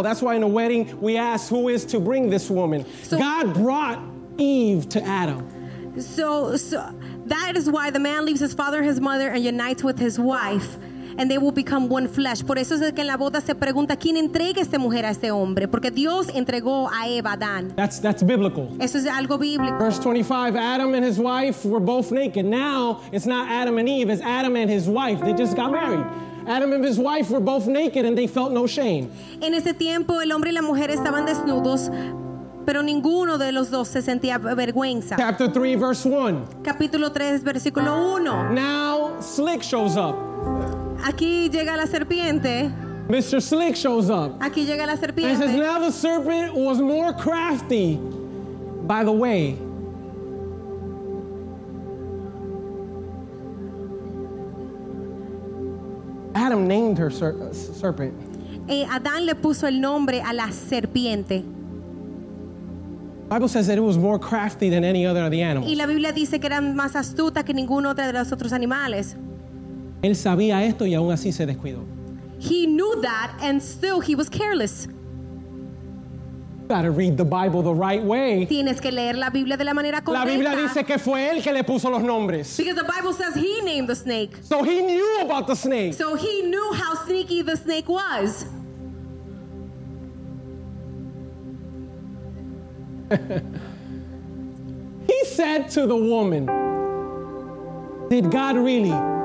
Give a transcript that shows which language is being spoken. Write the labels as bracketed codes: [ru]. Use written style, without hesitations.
[en] That's why in a wedding we ask who is to bring this woman. So, God brought Eve to Adam. So that is why the man leaves his father and his mother and unites with his wife, and they will become one flesh. [es] Por eso es que en la boda se pregunta quién entrega esta mujer a este hombre, porque Dios entregó a Eva a Adán. [en] That's biblical. [es] Eso es algo bíblico. [en] Verse 25, Adam and his wife were both naked. Now it's not Adam and Eve, it's Adam and his wife. They just got married. Adam and his wife were both naked and they felt no shame. [es] En ese tiempo el hombre y la mujer estaban desnudos, pero ninguno de los dos se sentía vergüenza. [en] Chapter 3, verse 1. [es] Capítulo 3, versículo 1. [en] Now Slick shows up. [es] Aquí llega la serpiente. [en] Mr. Slick shows up. [es] Aquí llega la serpiente. [en] And says, "Now the serpent was more crafty." By the way, Adam named her serpent. [es] Adán le puso el nombre a la serpiente. [en] The Bible says that it was more crafty than any other of the animals. [es] Y la Biblia dice que era más astuta que ningún otro de los otros animales. Él sabía esto y aún así se descuidó. [en] He knew that and still he was careless. You gotta read the Bible the right way. [es] Tienes que leer la Biblia de la manera correcta. La Biblia dice que fue él que le puso los nombres. [en] Because the Bible says he named the snake. So he knew about the snake. So he knew how sneaky the snake was. He said to the woman, "Did God really?"